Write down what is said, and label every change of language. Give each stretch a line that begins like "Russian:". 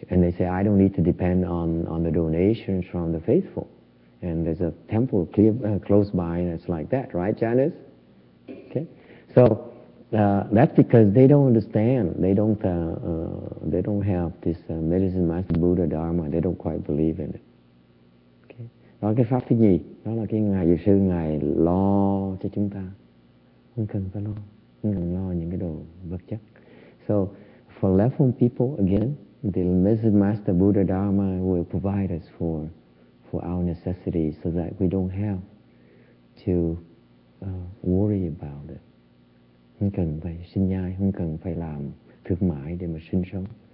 English: And they say, I don't need to depend on the donations from the faithful. And there's a temple close by, and it's like that. Right, Janice? Okay? So that's because they don't understand. They don't have this medicine master Buddha Dharma. They don't quite believe in it.
Vietnamese: Đó là cái pháp thứ nhì, đó là cái ngài dược sư, ngài lo cho chúng ta, không cần phải lo, không cần lo những cái đồ vật chất.
English: So for level people, again, the medicine master Buddha Dharma will provide us for our necessities, so that we don't have to worry about it.
Vietnamese: Không cần phải sinh nhai, không cần phải làm thương mại để mà sinh sống.